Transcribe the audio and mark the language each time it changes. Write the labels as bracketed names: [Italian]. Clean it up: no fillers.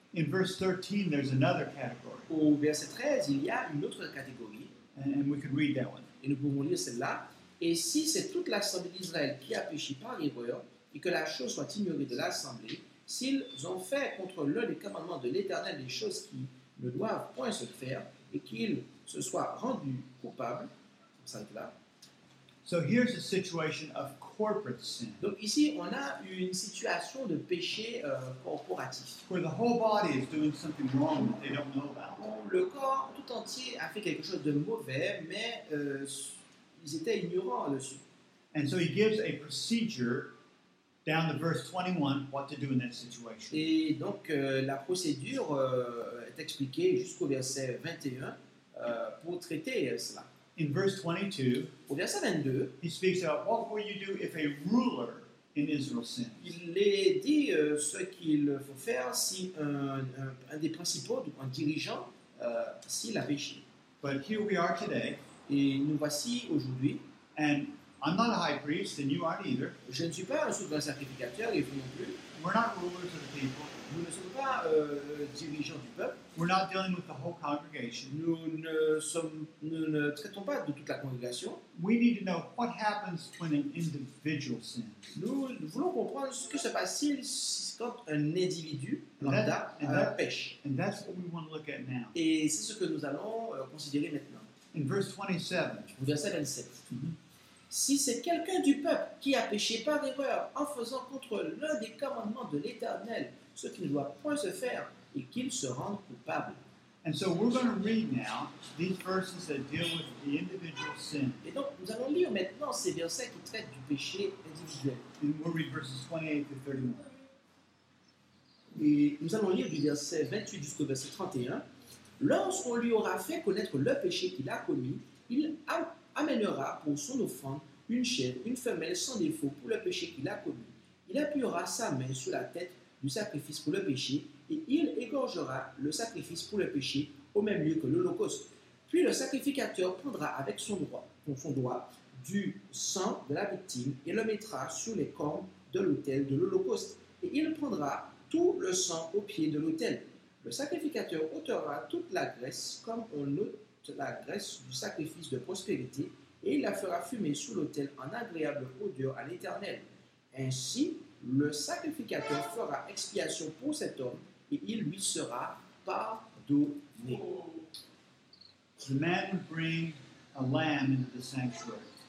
[English] In verse 13, there's another category. [French] Au verset 13, il y a une autre catégorie. [English] And we can read that one. [French] Et nous pouvons lire celle-là. Et si c'est toute l'assemblée d'Israël qui a péché par erreur, et que la chose soit ignorée de l'assemblée, s'ils ont fait contre l'un des commandements de l'Éternel des choses qui ne doivent point se faire, et qu'ils se soient rendus coupables, comme ça là. [English] So here's a situation of corporate sin. [French] Donc ici, on a une situation de péché corporatif. [English] Where the whole body is doing something wrong that they don't know about. [French] Où le corps tout entier a fait quelque chose de mauvais, mais ils étaient ignorants dessus. [English] And so he gives a procedure down to verse 21, what to do in that situation. [French] Et donc la procédure est expliquée jusqu'au verset 21 pour traiter cela. [English] In verse 22, [French] au verset 22, [English] he speaks about what will you do if a ruler in Israel sins. [French] Il est dit ce qu'il faut faire si un des principaux, donc un dirigeant, s'il a péché. [English] But here we are today, [French] et nous voici aujourd'hui, [English] and I'm not a high priest, and you aren't either. [French] Je ne suis pas un souverain sacrificateur, et vous non plus. [English] We're not rulers of the people. [French] Nous ne sommes pas dirigeants du peuple. [English] We're not dealing with the whole congregation. [French] Nous ne traitons pas de toute la congrégation. [English] We need to know what happens when an individual sins. [French] Nous voulons comprendre ce que se passe quand un individu lambda pêche. [English] And that's what we want to look at now. [French] Et c'est ce que nous allons considérer maintenant. [English] In verse 27. [French] Au verset 27. Si c'est quelqu'un du peuple qui a péché par erreur en faisant contre l'un des commandements de l'Éternel ce qui ne doit point se faire et qu'il se rende coupable. [English] And so we're going to read now these verses that deal with the individual sin. [French] Et donc nous allons lire maintenant ces versets qui traitent du péché individuel. [English] And we'll read verses 28 to 31. [French] Et nous allons lire du verset 28 jusqu'au verset 31. Lorsqu'on lui aura fait connaître le péché qu'il a commis, il amènera pour son offrande une chèvre, une femelle sans défaut pour le péché qu'il a commis. Il appuiera sa main sur la tête du sacrifice pour le péché et il égorgera le sacrifice pour le péché au même lieu que l'holocauste. Puis le sacrificateur prendra avec son doigt du sang de la victime et le mettra sur les cornes de l'autel de l'holocauste. Et il prendra tout le sang au pied de l'autel. Le sacrificateur ôtera toute la graisse comme on l'ôte la graisse du sacrifice de prospérité et il la fera fumer sous l'autel en agréable odeur à l'Éternel. Ainsi, le sacrificateur fera expiation pour cet homme et il lui sera pardonné. [English] The man would bring a lamb into the sanctuary.